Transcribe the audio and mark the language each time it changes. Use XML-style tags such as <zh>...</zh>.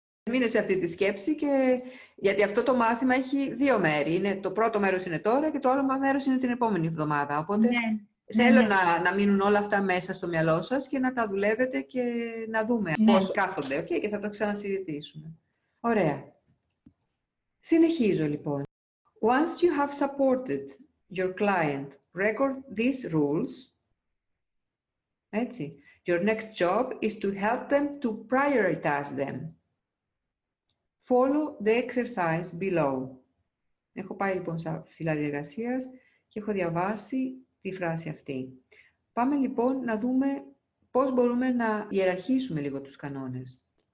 <el>Μείνε σε αυτή τη σκέψη και... γιατί αυτό το μάθημα έχει δύο μέρη. Είναι... το πρώτο μέρος είναι τώρα και το άλλο μέρος είναι την επόμενη εβδομάδα. Οπότε θέλω να μείνουν όλα αυτά μέσα στο μυαλό σας και να τα δουλεύετε και να δούμε πώς κάθονται. Okay. Και θα το ξανασυζητήσουμε. Ωραία. Συνεχίζω λοιπόν.</el> <en>Once you have supported your client, record these rules. Έτσι. Your next job is to help them to prioritize them. Follow the exercise below.</en> <el>Έχω πάει λοιπόν σε φυλάδι εργασίας και έχω διαβάσει τη φράση αυτή. Πάμε λοιπόν να δούμε πώς μπορούμε να ιεραρχήσουμε λίγο τους κανόνες.</el>